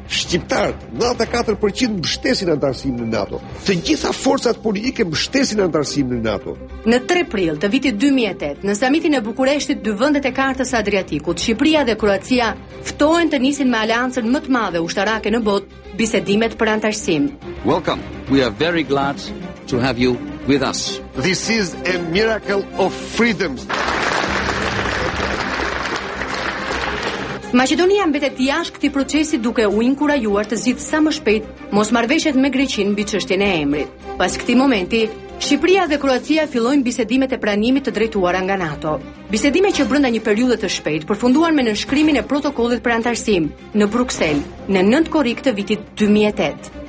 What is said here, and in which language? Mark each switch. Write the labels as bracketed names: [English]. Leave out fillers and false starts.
[Albanian] Shqiptarët, 94% mbështesin antarësimin në NATO. Të gjitha forcat politike mbështesin antarësimin në NATO. Në 3 prill të vitit 2008, në samitin e Bukureshtit, dy vendet e kartës Adriatikut, Shqipëria dhe Kroacia, ftohen të nisin me aleancën më të madhe ushtarake në botë bisedimet për antarësim. [English] Welcome. We are very glad to have you with us. This is a miracle of freedom. [Albanian] Maqedonia mbetet jashtë këtij procesi duke u inkurajuar të zgjidhë sa më shpejt mosmarrveshjet me Greqinë mbi çështjen e emrit. Pas këtij momenti, Shqipëria dhe Kroacia fillojnë bisedimet e pranimit të drejtuara nga NATO. Bisedime që brenda një periudhe të shpejtë përfunduan me nënshkrimin e protokollit për antarësim në Bruksel në 9 korrik të vitit 2008.